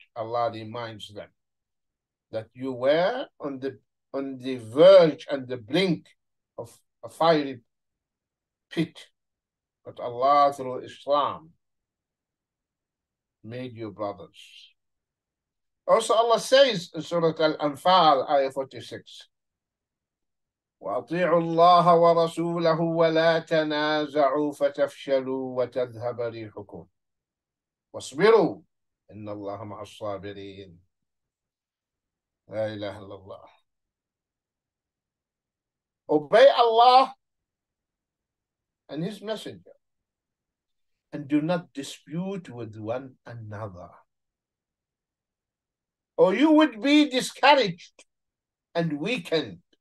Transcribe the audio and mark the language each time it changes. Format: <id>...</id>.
<en>Allah reminds them that you were on the verge and the brink of a fiery pit, but Allah through Islam made you brothers. Also, Allah says in Surah Al-Anfal, Ayah 46,</en> <ar>وَأَطِيعُوا اللَّهَ وَرَسُولَهُ وَلَا تَنَازَعُوا فَتَفْشَلُوا وَتَذْهَبَ رِيحُكُمْ وَاصْبِرُوا إِنَّ اللَّهَ مَعَ الصَّابِرِينَ. لا إله إلا الله.</ar> <en>Obey Allah and His Messenger and do not dispute with one another, or you would be discouraged and weakened.</en>